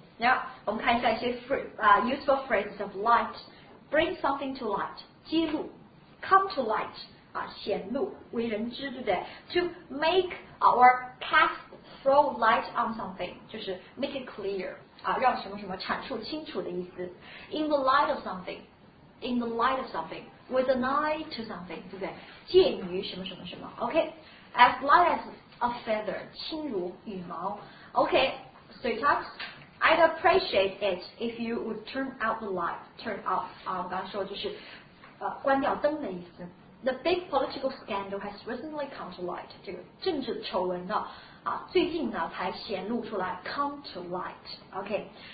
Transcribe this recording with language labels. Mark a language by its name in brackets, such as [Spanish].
[Chinese] Now, 我们看一下一些 [English] useful phrases of light. Bring something to light. 揭露 Come to light. [Chinese] 啊，显露，为人知，对不对 [English] ？To make or cast throw light on something, 就是 make it clear. [Chinese] 啊，让什么什么阐述清楚的意思。 [English] In the light of something. In the light of something, with an eye to something, 对不对？ [Chinese] 介于什么什么什么 ，OK? [English] As light as a feather, [Chinese] 轻如羽毛 [English] ，OK? Straight up, I'd appreciate it if you would turn out the light. [Chinese] Turn off 啊，我刚刚说就是，关掉灯的意思。 [English] The big political scandal has recently come to light. [Chinese] 这个政治丑闻呢，啊，最近呢才显露出来 ， [English] come to light. [Chinese] OK?